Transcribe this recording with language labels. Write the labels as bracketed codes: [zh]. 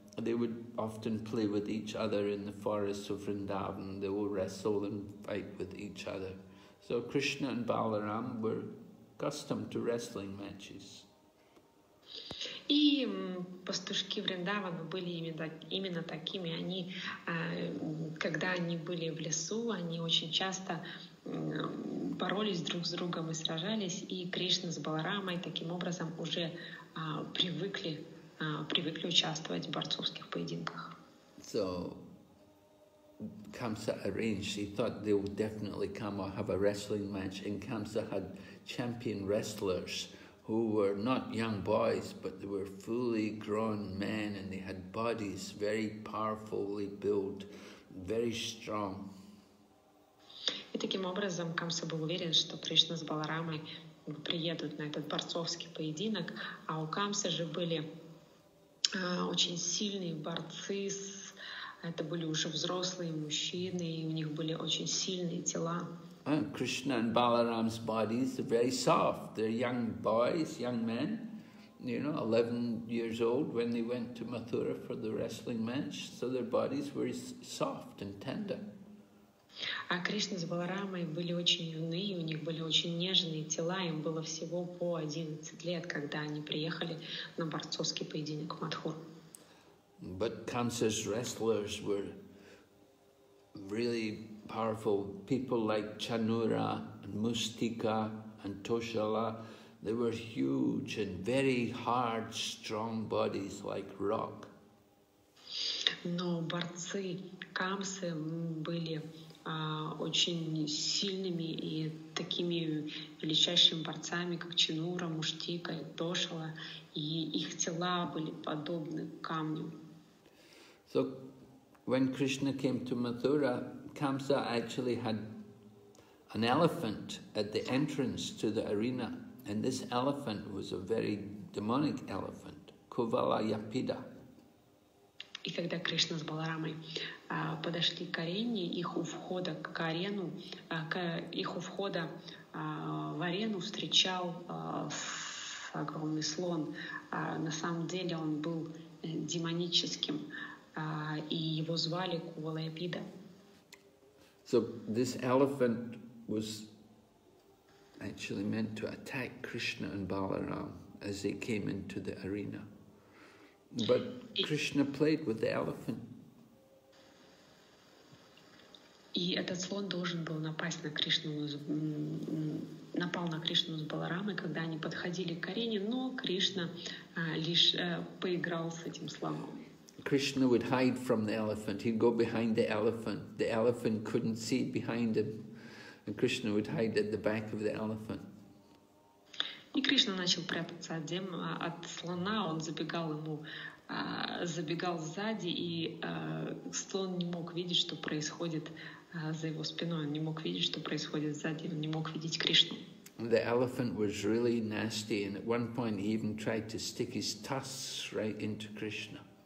[en] They would often play with each other in the forests of Vrindavan. They would wrestle and fight with each other. So Krishna and Balaram were accustomed to wrestling matches. [ru] И пастушки Вриндавана были именно такими. Они, когда они были в лесу, они очень часто боролись друг с другом и сражались. И Кришна с Баларамой таким образом уже привыкли участвовать в борцовских поединках. [en] So Kamsa arranged, he thought they would definitely come or have a wrestling match, and Kamsa had champion wrestlers who were not young boys, but they were fully grown men and they had bodies very powerfully built, very strong. [ru] И таким образом Камса был уверен, что Кришна с Баларамой приедут на этот борцовский поединок, а у Камсы же были очень сильные борцы, это были уже взрослые мужчины, и у них были очень сильные тела. [en] Krishna and Balaram's bodies are very soft. They're young boys, young men, you know, 11 years old when they went to Mathura for the wrestling match. So their bodies were soft and tender. [ru] А Кришна с Баларамой были очень юные, у них были очень нежные тела, им было всего по 11 лет, когда они приехали на борцовский поединок в Матхур. [en] But Kamsa's wrestlers were really powerful people like Chanura and Mustika and Toshala. They were huge and very hard, strong bodies like rock. [ru] Но борцы Камсы были очень сильными и такими величайшими борцами, как Чанура, Муштика и Тошала, и их тела были подобны камню. [en] So when Krishna came to Mathura, Kamsa actually had an elephant at the entrance to the arena, and this elephant was a very demonic elephant, Kovala Yapida. [ru] И когда Кришна с Баларамой подошли к арене, их у входа к арену, к их у входа в арену встречал огромный слон. На самом деле он был демоническим, и его звали Кувала Япида. [en] So this elephant was actually meant to attack Krishna and Balaram as they came into the arena. But Krishna played with the elephant. [ru] И этот слон должен был напасть на Кришну, напал на Кришну с Баларамой, когда они подходили к арене, но Кришна лишь поиграл с этим слоном. [en] Krishna would hide from the elephant. He'd go behind the elephant. The elephant couldn't see behind him. And Krishna would hide at the back of the elephant. [ru] И Кришна начал прятаться от демона, от слона. Он забегал ему, забегал сзади, и слон не мог видеть, что происходит за его спиной. Он не мог видеть, что происходит сзади. Он не мог видеть Кришну. [en] The elephant was really nasty, and at one point he even tried to stick his tusks right into Krishna.